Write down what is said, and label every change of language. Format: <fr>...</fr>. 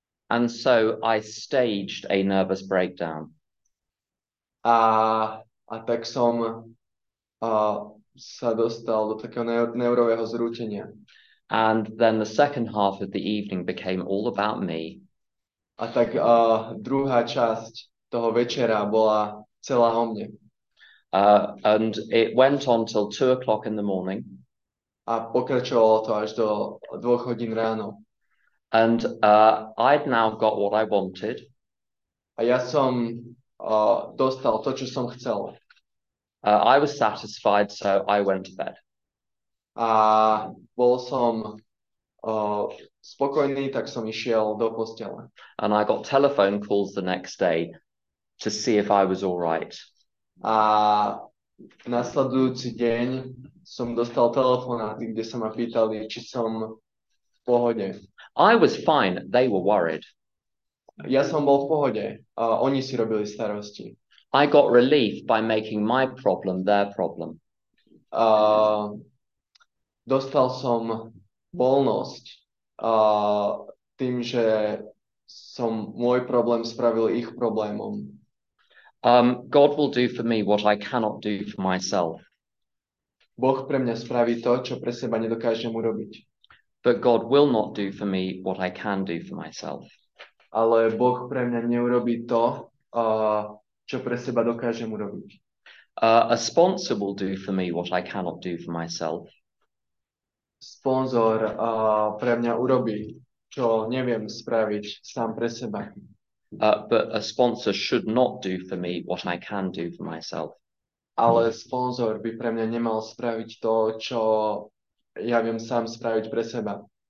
<en>And so I staged a nervous breakdown.</en> <sk>A tak som sa dostal do takého neurového zrútenia.</sk> <en>And then the second half of the evening became all about me.</en> <sk>A tak druhá časť toho večera bola celá o mne.</sk> <en>And it went on till 2 o'clock in the morning.</en> <sk>A pokračovalo to až do 2 hodín ráno.</sk> <en>And I'd now got what I wanted.</en> <sk>A ja som dostal to, čo som chcel.</sk> <en>I was satisfied, so I went to bed.</en> <sk>A bol som spokojný, tak som išiel do postele.</sk> <en>And I got telephone calls the next day to see if I was all right.</en> <sk>A nasledujúci deň som dostal telefonáty, kde sa ma pýtali, či som v pohode.</sk> <en>I was fine, they were worried.</en> <sk>Ja som bol v pohode, a oni si robili starosti.</sk> <en>I got relief by making my problem their problem.</en> <sk>Dostal som voľnosť tým, že som môj problém spravil ich problémom.</sk> <en>God will do for me what I cannot do for myself.</en> <sk>Boh pre mňa spraví to, čo pre seba nedokážem urobiť.</sk> <en>But God will not do for me what I can do for myself.</en> <sk>Ale Boh pre mňa neurobí to, čo pre seba dokážem urobiť.</sk> <en>A sponsor will do for me what I cannot do for myself.</en> <sk>Sponzor pre mňa urobí, čo neviem spraviť sám pre seba.</sk> <en>But a sponsor should not do for me what I can do for myself.</en> <sk>Ale sponzor by pre mňa nemal spraviť to, čo ja viem sám spraviť pre seba.</sk>